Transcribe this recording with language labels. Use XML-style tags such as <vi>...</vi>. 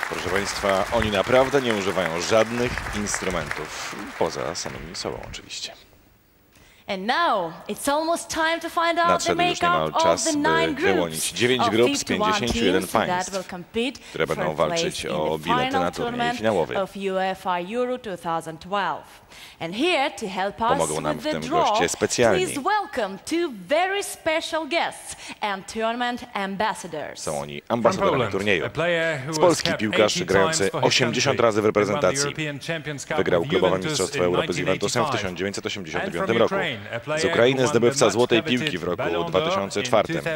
<pl>Państwa, oni naprawdę nie używają żadnych instrumentów, poza samymi sobą oczywiście.</pl> <en>And now it's almost time to find out the makeup of the nine groups.</en> <pl>Wyłonić 9 grup z 51 państw, które będą walczyć o bilety na turniej finałowy.</pl> <en>Of UEFA Euro 2012. And here to help us</en> <pl>pomogą nam</pl> <en>with the</en> <pl>w tym goście specjalni.</pl> <en>Please welcome two very special guests and tournament ambassadors.</en> <pl>Są oni ambasadorami turnieju. Z Polski piłkarz grający 80 razy w reprezentacji. Wygrał klubowe mistrzostwo Europy z Juventusem w 1985 roku. Z Ukrainy zdobywca złotej piłki w roku 2004.</pl>